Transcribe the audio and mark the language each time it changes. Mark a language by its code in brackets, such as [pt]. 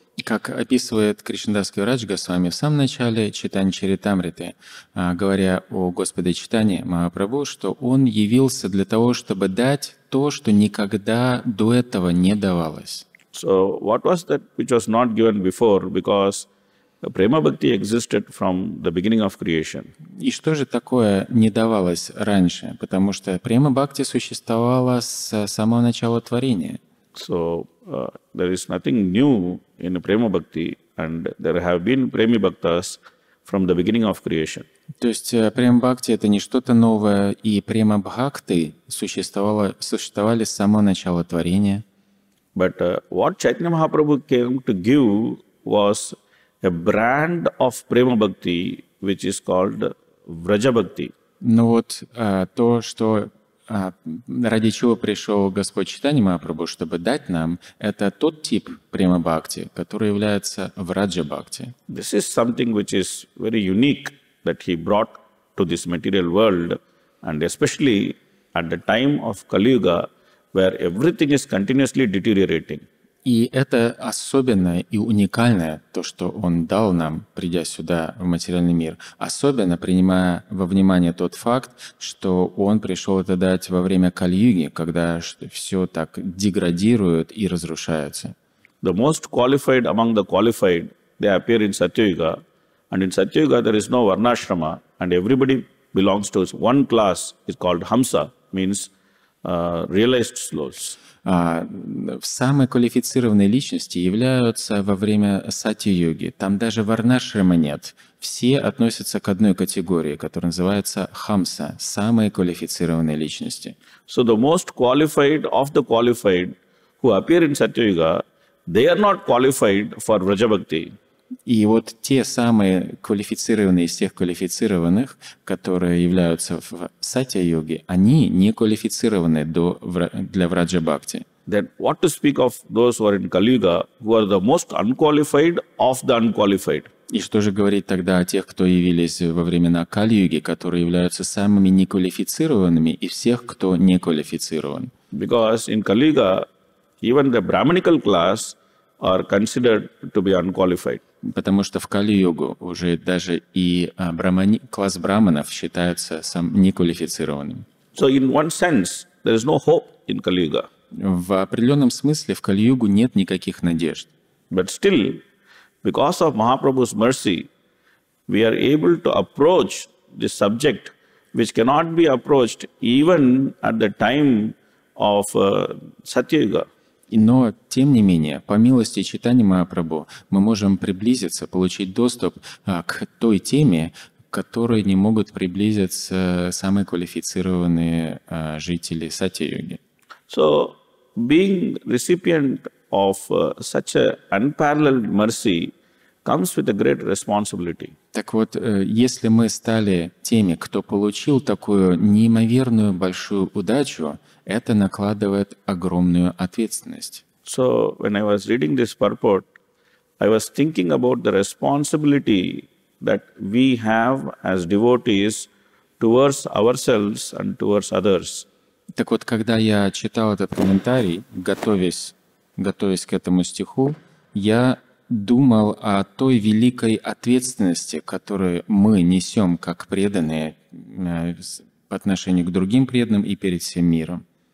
[ru] Как описывает Кришнадаски Врач Госвами в самом начале Чайтани Чаритамриты, говоря о Господе Чайтани Махапрабху, что Он явился для того, чтобы дать то, что никогда до этого не давалось. [en] So what was that which was not given before? Because Prema Bhakti existed from the beginning of creation. [ru] И что же такое не давалось раньше? Потому что Prema Bhakti существовала с самого начала творения. [en] So there is nothing new in Prema Bhakti, and there have been Premi Bhaktas from the beginning of creation. [ru] То есть Prema Bhakti это не что-то новое, и Prema Bhakti существовали с самого начала творения. [en] But what Chaitanya Mahaprabhu came to give was a brand of Prema Bhakti, which is called Vraja Bhakti. [ru] Но вот то, что ради чего пришел Господь Чайтанья Махапрабху, чтобы дать нам, это тот тип према бхакти, который является враджа бхакти. [en] This is something which is very unique that he brought to this material world, and especially at the time of Kali Yuga, where everything is continuously deteriorating. [ru] И это особенное и уникальное, то, что Он дал нам, придя сюда, в материальный мир. Особенно принимая во внимание тот факт, что Он пришел это дать во время Кали-Юги, когда все так деградирует и разрушается. [en] The most qualified among the qualified, they appear in Satyayuga. And in Satyayuga there is no Varnashrama, and everybody belongs to one class, it's called Hamsa, means realized souls. [ru] Самые квалифицированные личности являются во время сати-йоги. Там даже варнашрама нет. Все относятся к одной категории, которая называется хамса, самые квалифицированные личности. [en] So the most qualified of the qualified who appear in sati-yuga, they are not qualified for vraja bhakti. [ru] И вот те самые квалифицированные из всех квалифицированных, которые являются в сатья-йоге, они не квалифицированы для враджа-бхакти. [en] Then what to speak of those who are in Kali-Yuga, who are the most unqualified of the unqualified? [ru] И что же говорить тогда о тех, кто явились во времена Кали-Юги, которые являются самыми неквалифицированными из всех, кто не квалифицирован? [en] Because in Kali-Yuga, even the brahmanical class are considered to be unqualified. [ru] Потому что в Кали-Югу уже даже и класс браманов считается сам неквалифицированным. [en] So in one sense, there is no hope in Kali-Yuga. [ru] В определенном смысле в Кали-Югу нет никаких надежд. [en] But still, because of Mahaprabhu's mercy, we are able to approach this subject, which cannot be approached even at the time of Satya-Yuga. [ru] Но, тем не менее, по милости Чайтанья Махапрабху, мы можем приблизиться, получить доступ к той теме, которой не могут приблизиться самые квалифицированные жители Сати-юги. [en] So, being recipient of such an unparalleled mercy comes with a great responsibility. [ru] Так вот, если мы стали теми, кто получил такую неимоверную большую удачу, это накладывает огромную ответственность. [en] So, when I was reading this purport, I was thinking about the responsibility that we have as devotees towards ourselves and towards others. [ru] Так вот, когда я читал этот комментарий, готовясь к этому стиху, я думал о той великой ответственности, которую мы несем как преданные по отношению к другим преданным и перед всем миром.